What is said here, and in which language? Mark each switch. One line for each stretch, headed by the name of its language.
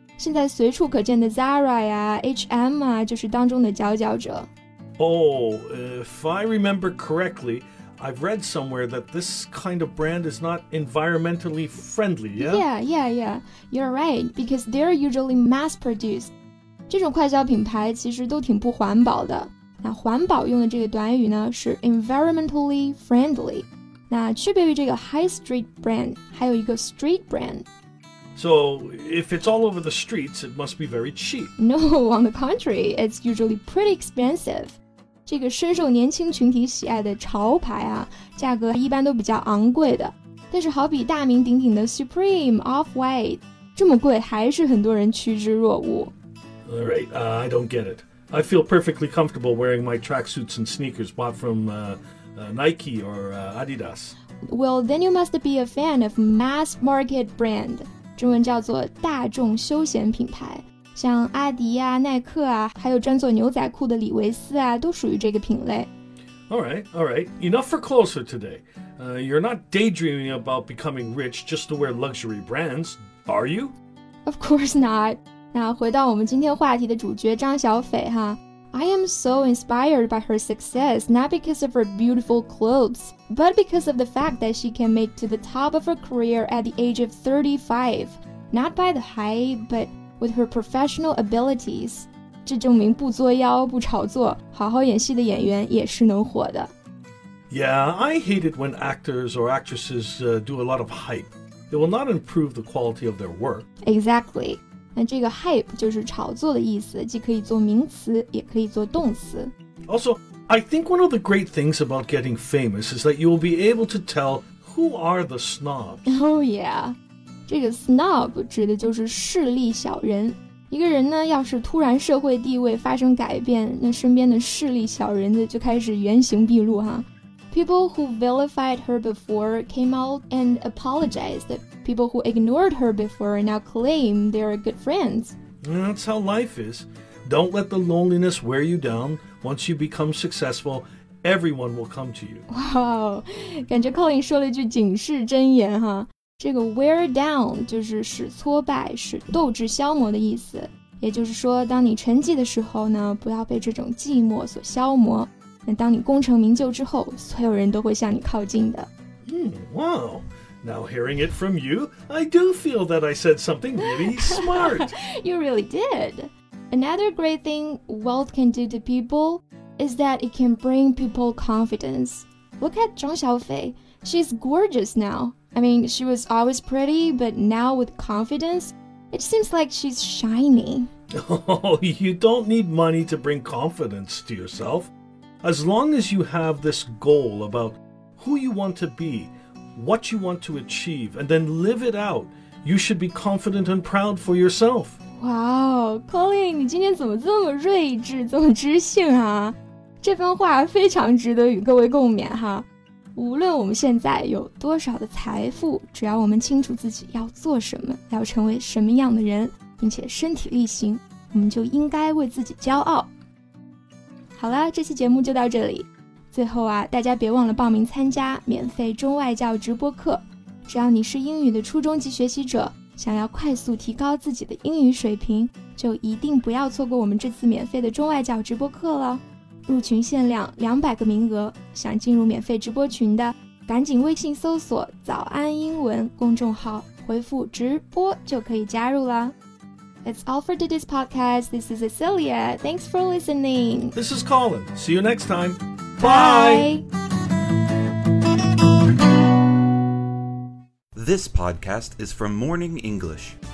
Chinese: 现在随处可见的 Zara 呀、H&M 啊，就是当中的佼佼者。
English: Oh, if I remember correctly, I've read somewhere that this kind of brand is not environmentally friendly, yeah? Yeah, yeah, yeah. You're right, because they're usually mass-produced.
Chinese: 这种快消品牌其实都挺不环保的。那环保用的这个短语呢是 environmentally friendly。那区别于这个 high street brand, 还有一个 street brand。
English: So, if it's all over the streets, it must be very cheap. No, on the contrary, it's usually pretty expensive.
Chinese: 这个深受年轻群体喜爱的潮牌啊，价格一般都比较昂贵的。但是好比大名鼎鼎的 Supreme, Off-White, 这么贵还是很多人趋之若鹜。
English: All right, I don't get it. I feel perfectly comfortable wearing my tracksuits and sneakers bought from Nike or Adidas. Well, then you must be a fan of mass market brand.
Chinese: 中文叫做大众休闲品牌，像阿迪啊、耐克啊，还有专做牛仔裤的李维斯啊，都属于这个品类。
English: All right. Enough for clothes for today. You're not daydreaming about becoming rich just to wear luxury brands, are you? Of course not.
Chinese: 那回到我们今天话题的主角张小斐哈。
English: I am so inspired by her success, not because of her beautiful clothes, but because of the fact that she can make to the top of her career at the age of 35. Not by the height, but with her professional abilities.
Chinese: 这证明不作妖不炒作，好好演戏的演员也是能火的。
English: Yeah, I hate it when actors or actresses do a lot of hype. It will not improve the quality of their work. Exactly.
Chinese: 那这个 hype 就是炒作的意思，既可以做名词，也可以做动词。
English: Also, I think one of the great things about getting famous is that you will be able to tell who are the snobs. Oh yeah,
Chinese: 这个 snob 指的就是势利小人。一个人呢，要是突然社会地位发生改变，那身边的势利小人呢就开始原形毕露哈。
English: People who vilified her before came out and apologized. People who ignored her before now claim they are good friends. That's how life is. Don't let the loneliness wear you down. Once you become successful, everyone will come to you.
Chinese: Wow, 感觉 Colin 说了一句警示真言哈。这个 wear down 就是使挫败、使斗志消磨的意思。也就是说，当你沉寂的时候呢，不要被这种寂寞所消磨。当你功成名就之后，所有人都会向你靠近的。
English: Wow. Now hearing it from you, I do feel that I said something really smart. You really did. Another great thing wealth can do to people is that it can bring people confidence. Look at Zhang Xiaofei. She's gorgeous now. I mean, she was always pretty, but now with confidence, it seems like she's shiny. Oh, you don't need money to bring confidence to yourself. As long as you have this goal about who you want to be, what you want to achieve, and then live it out, you should be confident and proud for yourself.
Chinese: Wow, Colin, 你今天怎么这么睿智，这么知性啊？这番话非常值得与各位共勉哈。无论我们现在有多少的财富，只要我们清楚自己要做什么，要成为什么样的人，并且身体力行，我们就应该为自己骄傲。好了，这期节目就到这里。最后啊，大家别忘了报名参加免费中外教直播课。只要你是英语的初中级学习者，想要快速提高自己的英语水平，就一定不要错过我们这次免费的中外教直播课了。入群限量200个名额，想进入免费直播群的，赶紧微信搜索“早安英文”公众号，回复“直播”就可以加入了。
English: That's all for today's podcast. This is Cecilia. Thanks for listening. This is Colin. See you next time. Bye. This podcast is from Morning English.